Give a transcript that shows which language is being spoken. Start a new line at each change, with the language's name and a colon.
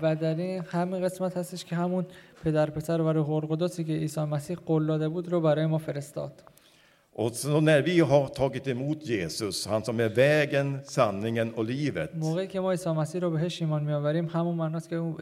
Persian: و در این همین قسمت هستش که همون پدر پسر و روح القدسی که عیسی مسیح قول داده بود رو برای ما فرستاد.
Swedish: Och så när vi har tagit emot Jesus, han som är vägen, sanningen och livet.
Persian: موقعی که ما عیسی مسیح رو بهش ایمان میآوریم همون معناست که